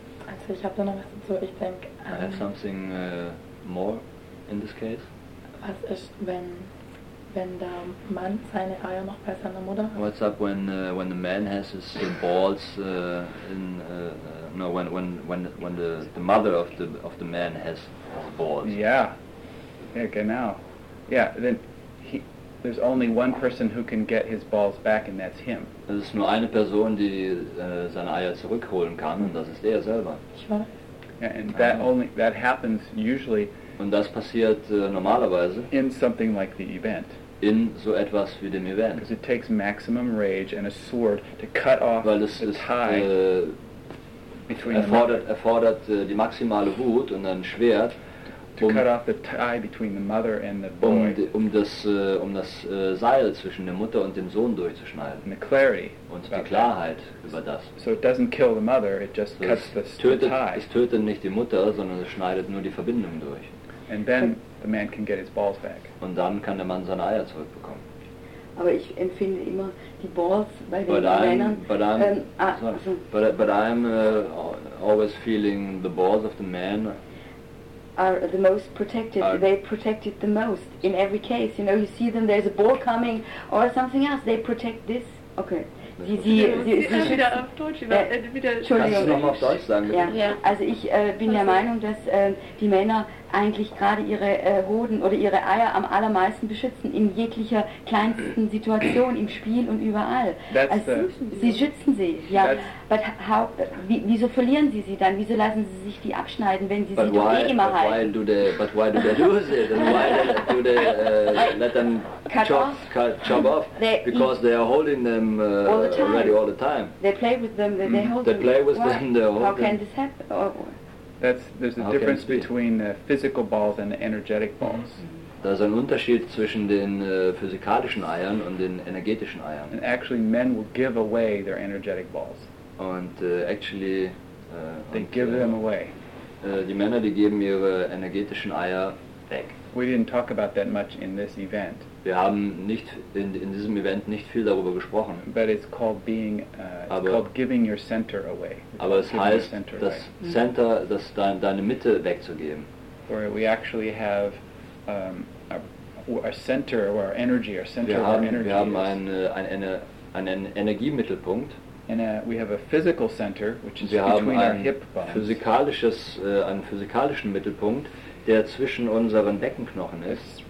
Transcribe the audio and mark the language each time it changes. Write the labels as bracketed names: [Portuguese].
[German] Also ich habe da noch was dazu, ich denke... [English] I have something more in this case. [German] Was ist, wenn wenn der Mann seine Eier noch bei seiner Mutter hat? [English] What's up when when the man has his balls in no when the mother of the man has his balls? Yeah. Yeah, genau. Yeah, then he there's only one person who can get his balls back and that's him. [German] Es ist nur eine Person, die seine Eier zurückholen kann und das ist er selber. [English] Yeah, and that only that happens usually. [German] Und das passiert normalerweise [English] in something like the event. [German] In so etwas wie dem Event. [English] Because it takes maximum rage and a sword to cut off the tie. [German] Weil es erfordert die maximale Wut und ein Schwert. [English] To cut off the tie between the mother and the boy. [German] Um das Seil zwischen der Mutter und dem Sohn durchzuschneiden. [English] And the clarity. [German] Und die Klarheit über das. [English] So it doesn't kill the mother, it just so cuts the tie. [German] Es tötet nicht die Mutter, sondern es schneidet nur die Verbindung durch. [English] And then the man can get his balls back. [German] Und dann kann der Mann seine Eier zurückbekommen. Aber ich empfinde immer die Balls bei den Männern. [English] But I'm always feeling the balls of the man are the most protected, they protect it the most in every case. You know, you see them, there's a ball coming or something else, they protect this. Okay. [German] Sie wieder auf Deutsch, wieder Entschuldigung. Kannst du nochmal auf Deutsch sagen? Ja. Ja. Also ich bin der Meinung, dass die Männer eigentlich gerade ihre Hoden oder ihre Eier am allermeisten beschützen, in jeglicher kleinsten Situation, im Spiel und überall. Sie schützen sie, ja. [English] But how, [German] wieso verlieren sie dann? Wieso lassen sie sich die abschneiden, wenn sie [English] but [German] sie doch eh immer halten? [English] But why do they lose it? And why do they let them chop off? Because they are holding them all the time. They play with them, How can this happen? There's a difference between the physical balls and the energetic balls. [German] Da ist ein Unterschied zwischen den physikalischen Eiern und den energetischen Eiern. [English] And actually men will give away their energetic balls. [German] Und actually [English] they give them away. [German] Die Männer, die geben ihre energetischen Eier weg. [English] We didn't talk about that much in this event. [German] Wir haben nicht in diesem Event nicht viel darüber gesprochen. [English] But it's called being called giving your center away. [German] Aber es heißt, das Center, das deine Mitte wegzugeben. [English] Where we actually have our center or our energy, our center [German] wir [English] of [German] haben, [English] our energy. [German] Wir haben einen Energiemittelpunkt. [English] And we have a physical center, which is between our hip bones. [German] Wir haben einen physikalischen Mittelpunkt, der zwischen unseren Beckenknochen ist.